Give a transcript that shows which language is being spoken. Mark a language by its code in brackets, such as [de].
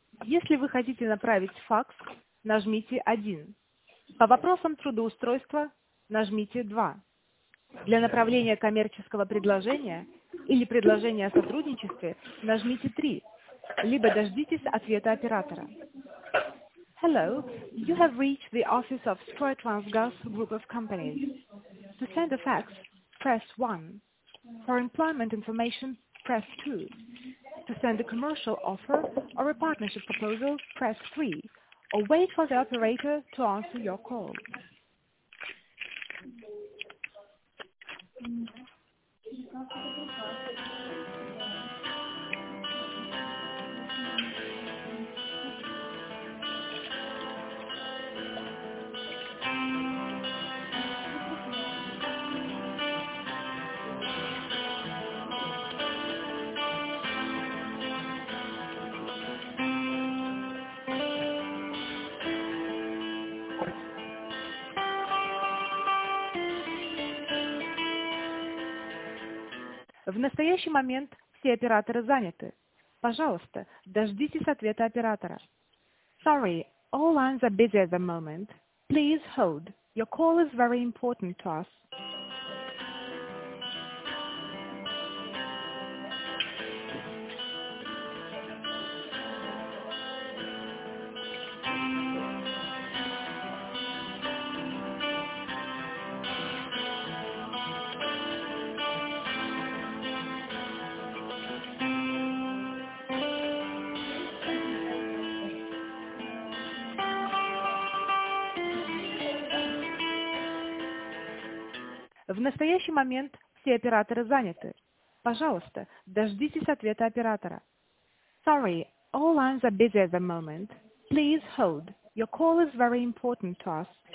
[ru] Если вы хотите направить факс, нажмите 1. По вопросам трудоустройства нажмите 2. Для направления коммерческого предложения или предложения о сотрудничестве нажмите 3. Либо дождитесь ответа оператора. [en] Hello, you have reached the office of Stroytransgaz Group of Companies. To send a fax, press 1. For employment information, press 2. To send a commercial offer or a partnership proposal, press 3. Or wait for the operator to answer your call. [ru] В настоящий момент все операторы заняты. Пожалуйста, дождитесь ответа оператора. [en] Sorry, all lines are busy at the moment. Please hold. Your call is very important to us. [ru] В настоящий момент все операторы заняты. Пожалуйста, дождитесь ответа оператора. [en] Sorry, all lines are busy at the moment. Please hold. Your call is very important to us.